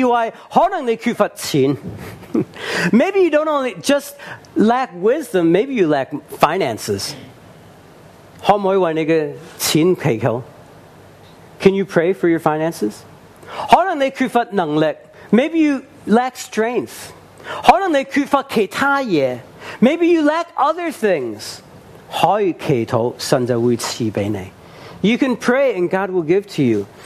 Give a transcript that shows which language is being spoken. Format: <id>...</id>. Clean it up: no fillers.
<yue>但可能你不是单单缺乏智慧，可能你缺乏钱。</yue> <en>Maybe you don't only just lack wisdom, maybe you lack finances.</en> <yue>可不可以为你的钱祈求？</yue> <en>Can you pray for your finances?</en> <yue>可能你缺乏能力,</yue> <en>maybe you lack strength.</en> <yue>可能你缺乏其他嘢,</yue> <en>maybe you lack other things.</en> <yue>可以祈祷,神就会赐给你。</yue> <en>You can pray and God will give to you.</en>